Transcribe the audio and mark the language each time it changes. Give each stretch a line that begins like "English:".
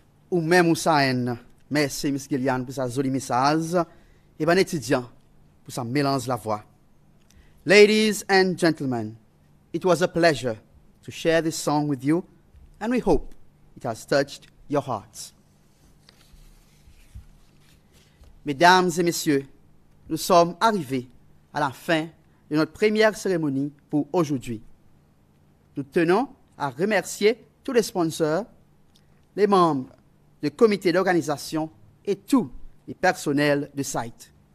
French: Ou même ou sa en, merci Miss Gillian pour sa jolie message et bon étudiant pour sa mélange la voix.
English: Ladies and gentlemen, it was a pleasure to share this song with you and we hope it has touched your hearts.
French: Mesdames et messieurs, nous sommes arrivés à la fin de notre première cérémonie pour aujourd'hui. Nous tenons à remercier tous les sponsors, les membres le comité d'organisation et tous les personnels de site.